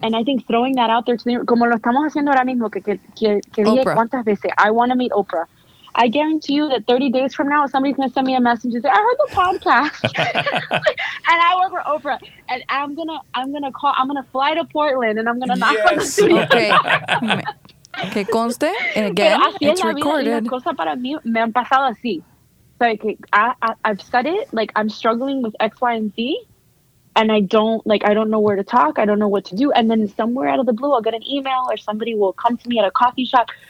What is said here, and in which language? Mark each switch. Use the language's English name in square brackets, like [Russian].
[English] And I think throwing that out there to them, [Spanish] como lo estamos haciendo ahora mismo, que dije cuántas veces, [English] I want to meet Oprah. I guarantee you that 30 days from now, somebody's going to send me a message and say, I heard the podcast and I work for Oprah and I'm going to fly to Portland and I'm going to knock on the studio. Okay. [Spanish] Que conste, [English] again, it's recorded. [Spanish] La cosa para mí, me han pasado así. [English] So I've said it, like I'm struggling with X, Y, and Z and I don't know where to talk. I don't know what to do. And then somewhere out of the blue, I'll get an email or somebody will come to me at a coffee shop.